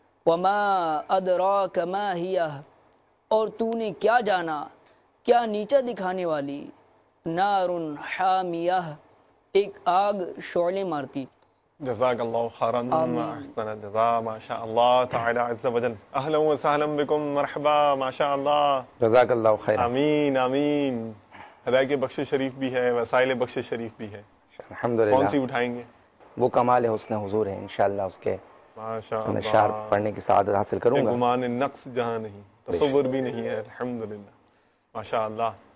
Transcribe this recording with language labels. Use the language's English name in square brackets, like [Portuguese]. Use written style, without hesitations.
[Arabic] وَمَا أَدْرَاكَ مَا هِيَهُ, [Urdu] اور تو نے کیا جانا کیا نیچا دکھانے والی. [Arabic] نارٌ حَامِيَهُ, [Urdu] ایک آگ شعلے مارتی. [Arabic] جزاک اللہ خیرا احسن الجزاء ماشاء اللہ تعالی عز وجل. اهلا وسهلا بكم, مرحبا, ماشاء اللہ, جزاک اللہ خیر. امین امین. [Urdu] ہدایت بخش شریف بھی ہے, وسائل بخش شریف بھی ہے, [Arabic] الحمدللہ. [Urdu] کون سی اٹھائیں گے؟ وہ کمال حسن حضور ہے, انشاءاللہ اس کے اشعار پڑھنے کی سعادت حاصل کروں گا. گمان نقص جہاں نہیں, تصور بھی نہیں ہے, الحمدللہ ماشاء اللہ.